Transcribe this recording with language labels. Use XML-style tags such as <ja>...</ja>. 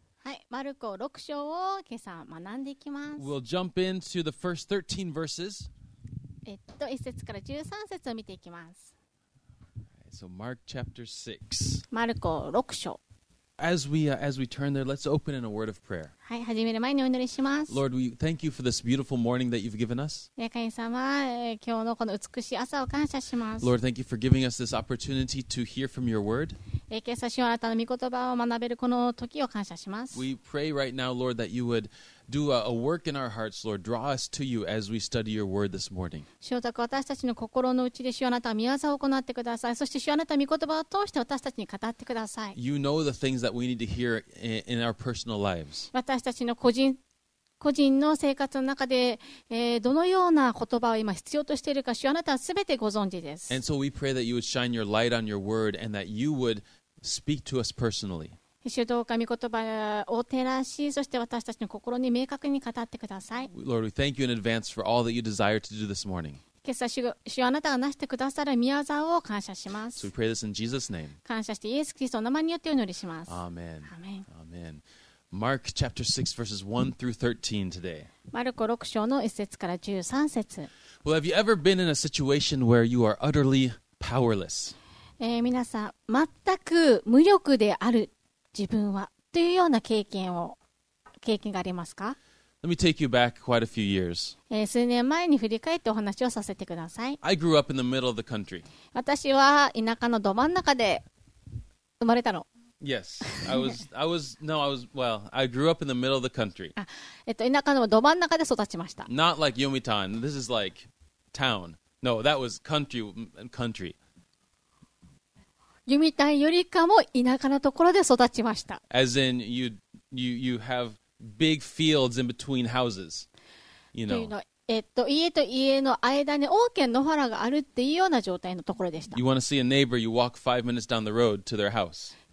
<ja>はい、マルコ6章を今朝学んでいきます。</ja> <en>We'll jump into the first 13 verses.</en> <ja>1節から13節を見ていきます。</ja> <en>So Mark chapter 6.</en> <ja>マルコ6章。</ja> <en>As we turn there, let's open in a word of prayer.</en> <ja>はい、始める前にお祈りします。</ja> <en>Lord, we thank you for this beautiful morning that you've given us.</en> <ja>神様、今日のこの美しい朝を感謝します。</ja> <en>Lord, thank you for giving us this opportunity to hear from your word.</en> <ja>今朝、あなたの御言葉を学べるこの時を感謝します。</ja> <en>We pray right now, Lord, that you would do a work in our hearts, Lord. Draw us to you as we study your word this morning.</en> <ja>主よ、私たちの心の内で主よ、あなたは御業を行ってください。そして主よ、あなたは御言葉を通して私たちに語ってください。</ja> <en>You know the things that we need to hear in our personal lives.</en> <ja>私たちの個人の生活の中で、どのような言葉を今必要としているか、主よ、あなたはすべてご存知です。</ja> <en>And so we pray that you would shine your light on your word and that you would speak to us personally.</en> <ja>主どうか御言葉を照らし、そして私たちの心に明確に語ってください。</ja> <en>Lord, we thank you in advance for all that you desire to do this morning.</en> <ja>今朝、主よ、あなたがなしてくださる御業を感謝します。</ja> <en>So we pray this in Jesus' name.</en> <ja>感謝してイエス・キリストの名前によってお祈りします。</ja> <en>Amen. Amen. Amen. Mark chapter 6 verses 1 through 13 today.</en> <ja>マルコ6章の1節から13節。</ja> <en>Well, have you ever been in a situation where you are utterly powerless?</en> <ja>皆さん、全く無力である。自分はというような経験がありますか？</ja> <en>Let me take you back quite a few years.</en> <ja>数年前に振り返ってお話をさせてください。</ja> <en>I grew up in the middle of the country.</en> <ja>私は田舎のど真ん中で生まれたの。</ja> <en>Yes, I grew up in the middle of the country.</en> <ja>田舎のど真ん中で育ちました。</ja> <en>Not like Yomitan. This is like town. No, that was country.</en> <ja>ユミタンよりかも田舎のところで育ちました。</ja> <en>As in you have big fields in between houses, you know.</en> <ja>家と家の間に大きな野原があるっていうような状態のところでした。</ja> <en>You want to see a neighbor, you walk 5 minutes down the road to their house.</en>